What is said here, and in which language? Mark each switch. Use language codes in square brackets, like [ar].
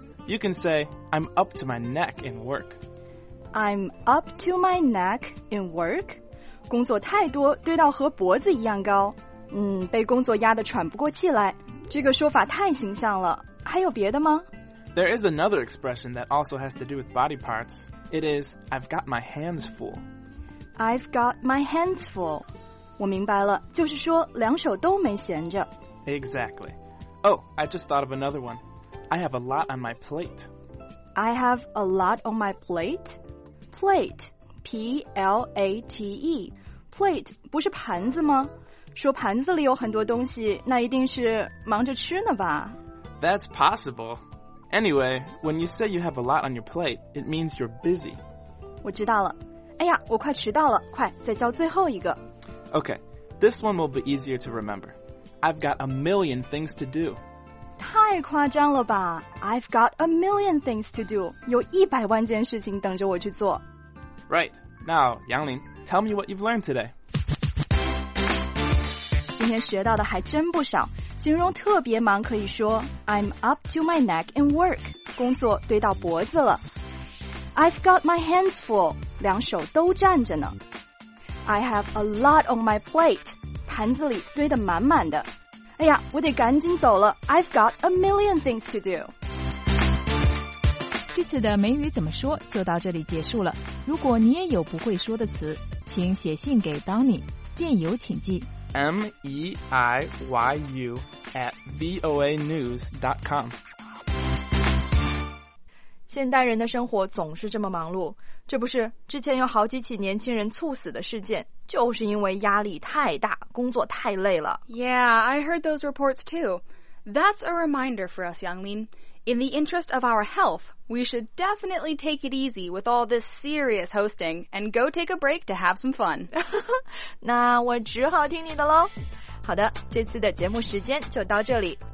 [en] You can say, I'm up to my neck in work. I'm up to my neck in work? [zh] 工作太多，堆到和脖子一样高。被工作压得喘不过气来。这个说法太形象了。还有别的吗？ [en] There is another expression that also has to do with body parts. It is, I've got my hands full. I've got my hands full. [zh] 我明白了，就是说两手都没闲着。 [en] Exactly. Oh, I just thought of another one. I have a lot on my plate. I have a lot on my plate? Plate. P-L-A-T-E. Plate [zh] 不是盘子吗？说盘子里有很多东西，那一定是忙着吃呢吧？ [en] That's possible. Anyway, when you say you have a lot on your plate, it means you're busy. [zh] 我知道了。哎呀，我快迟到了，快，再教最后一个。 [en] Okay, this one will be easier to remember. I've got a million things to do. [zh] 太夸张了吧。 [en] I've got a million things to do. [zh] 有一百万件事情等着我去做。 [en] Right. Now, Yanglin, tell me what you've learned today. [zh] 今天学到的还真不少。形容特别忙可以说 [en] I'm up to my neck in work. [zh] 工作堆到脖子了。 [en] I've got my hands full. [zh] 两手都站着呢。 [en] I have a lot on my plate. [zh] 盘子里堆得满满的，哎呀，我得赶紧走了。 [en] I've got a million things to do. [zh] 这次的美语怎么说就到这里结束了。如果你也有不会说的词，请写信给 Donny， 电邮请寄 [en] meiyu@voanews.com。 [zh] 现代人的生活总是这么忙碌，这不是之前有好几起年轻人猝死的事件，就是因为压力太大，工作太累了。 [en] Yeah, I heard those reports too. That's a reminder for us, Yanglin. In the interest of our health, we should definitely take it easy with all this serious hosting and go take a break to have some fun. [zh] 那我只好听你的咯。好的，这次的节目时间就到这里。